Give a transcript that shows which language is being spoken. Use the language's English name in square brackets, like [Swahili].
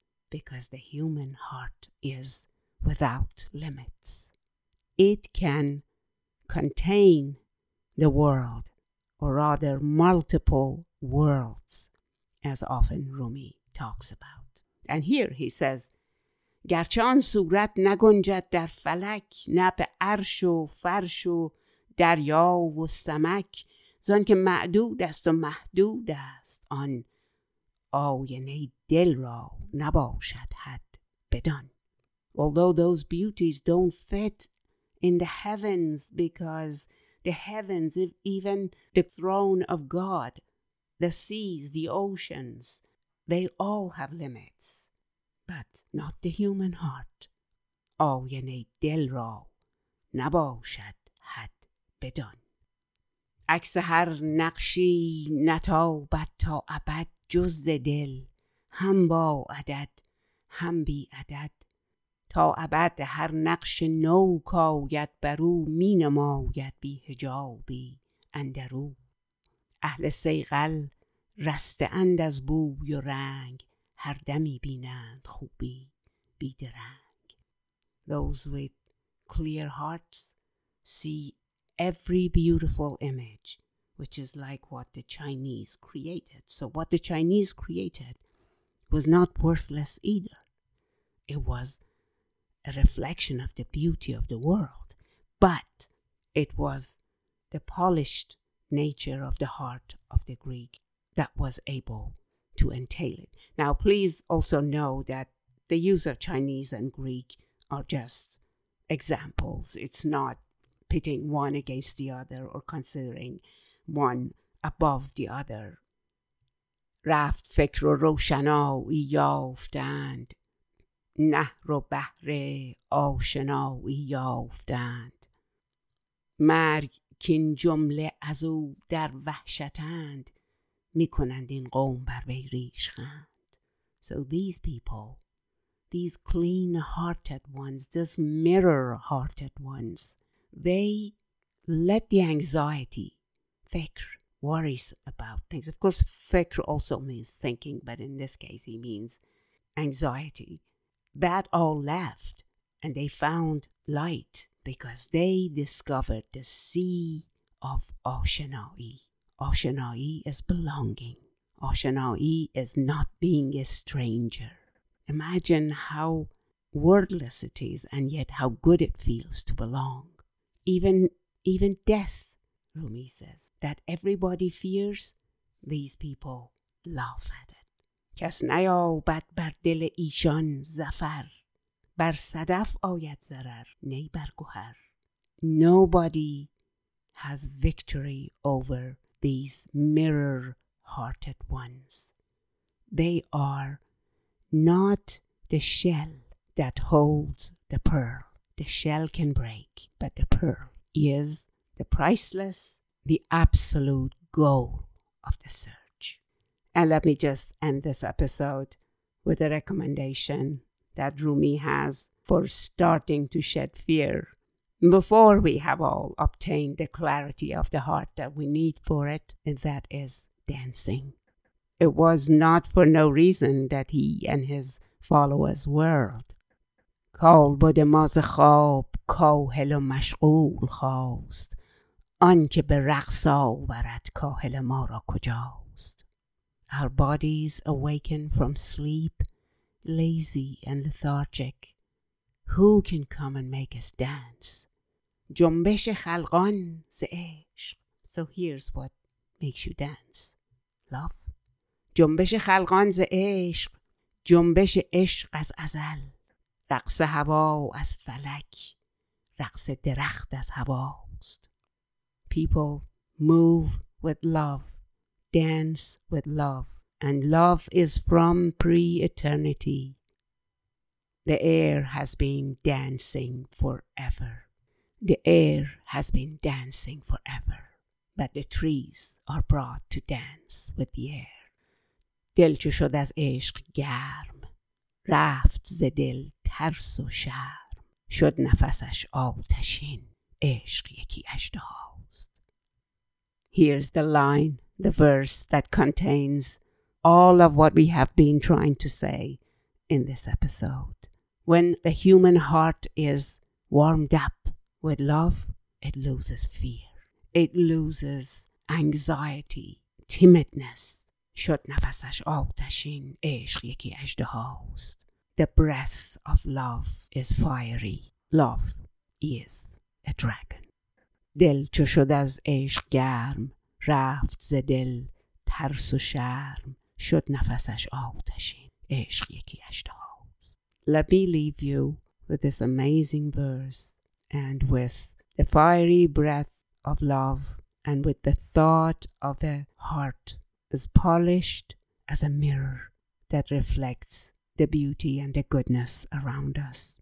[English] Because the human heart is without limits. It can contain the world, or rather multiple worlds, as often Rumi talks about. And here he says, [Persian] گرچه آن صورت نگنجد در فلک، نه به عرش و فرش و دریا و سمک، زان که معدود است و محدود است آن آینه دل را نباشد حد بدان. [English] Although those beauties don't fit in the heavens, because the heavens, if even the throne of God, the seas, the oceans, they all have limits, but not the human heart. [Persian] آینه دل را نباشد حد بدان. عکس هر نقشی نتابد تا ابد، جز دل هم با عدد هم بی عدد. تا ابد هر نقش نو کاید برو، می نماید بی حجابی اندرو. اهل سیغل رسته اند از بوی و رنگ، هر دمی بینند خوبی بی درنگ. [English] Those with clear hearts see every beautiful image, which is like what the Chinese created. So what the Chinese created was not worthless either. It was a reflection of the beauty of the world, but it was the polished nature of the heart of the Greek that was able to entail it. Now, please also know that the use of Chinese and Greek are just examples. It's not pitting one against the other or considering one above the other. [Persian] رفت فکر و روشنایی یافتند. نهر و بحر آشنایی یافتند. مرگ کین جمله از او در وحشتند. می کنند این قوم بر وی ریشخند. [English] So these people, these clean-hearted ones, these mirror-hearted ones, they let the anxiety, fikr, worries about things. Of course, fikr also means thinking, but in this case, he means anxiety. That all left, and they found light because they discovered the sea of Oshinoi. Oshinoi is belonging. Oshinoi is not being a stranger. Imagine how wordless it is, and yet how good it feels to belong. Even death, Rumi says, that everybody fears, these people laugh at it. [Persian] کس نیابد بر دل ایشان ظفر، بر صدف آید ضرر، نی بر گوهر. [English] Nobody has victory over these mirror-hearted ones. They are not the shell that holds the pearl. The shell can break, but the pearl is the priceless, the absolute goal of the search. And let me just end this episode with a recommendation that Rumi has for starting to shed fear before we have all obtained the clarity of the heart that we need for it, and that is dancing. It was not for no reason that he and his followers whirled. [Persian] کال بود ماز خواب کاهل و مشغول خواست، آن که به رقص آورد کاهل ما را کجاست. [English] Our bodies awaken from sleep, lazy and lethargic. Who can come and make us dance? [Persian] جنبش خلقان ز عشق. [English] So here's what makes you dance. Love. [Persian] جنبش خلقان ز عشق، جنبش عشق از ازل، رقص هوا از فلک، رقص درخت از هواست. [English] People move with love, dance with love, and love is from pre-eternity. The air has been dancing forever. The air has been dancing forever, but the trees are brought to dance with the air. [Persian] دل چو شد از عشق گرم، رفت ز دل ترس و شرم، شد نفسش آتشین، عشق یکی اژدهاست. [English] Here's the line, the verse that contains all of what we have been trying to say in this episode. When the human heart is warmed up with love, it loses fear. It loses anxiety, timidness. [Persian] شد نفسش آتشین، عشق یکی اژدهاست. [English] The breath of love is fiery. Love is a dragon. [Persian] دل چو شد از عشق گرم، رفت ز دل ترس و شرم، شد نفسش آتشین، عشق یکی اژدهاست. [English] Let me leave you with this amazing verse and with the fiery breath of love and with the thought of the heart is polished as a mirror that reflects the beauty and the goodness around us.